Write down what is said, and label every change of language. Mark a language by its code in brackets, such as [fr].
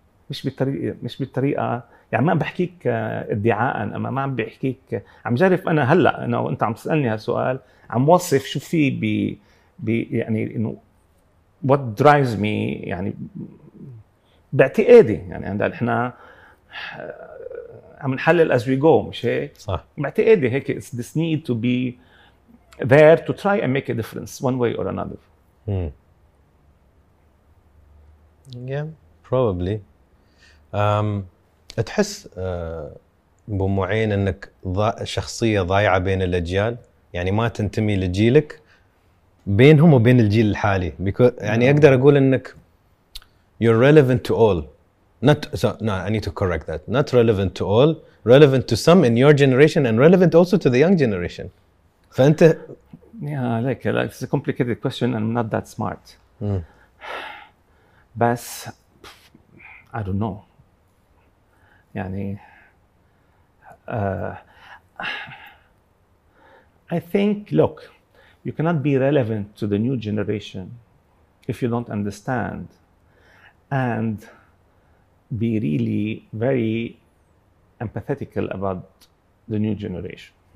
[ar] مش بطريقة يعني ما بحكيك ادعاء، أما ما عم بحكيك، عم جرف أنا هلا إنه أنت عم تسألني هالسؤال عم وصف شو في ب يعني إنه [en] what drives me [ar] يعني باعتقادي يعني عندنا إحنا عم نحلل [en] as we go [ar] مش هيك؟ صح. باعتقادي هيك [en] it's this need to be there to try and make a difference one way or another. Yeah, probably. [ar] تحس بمعين انك شخصيه ضايعه بين الاجيال، يعني ما تنتمي لجيلك، بينهم وبين الجيل الحالي. يعني اقدر اقول انك [en] you're relevant to all. Not relevant to all, relevant to some in your generation and relevant also to the young generation. [ar] فانت [en] Yeah, like it's a complicated question and I'm not that smart. But I don't know. يعني I think look, you cannot be relevant to the new generation if you don't understand and be really very empathetic about the new generation.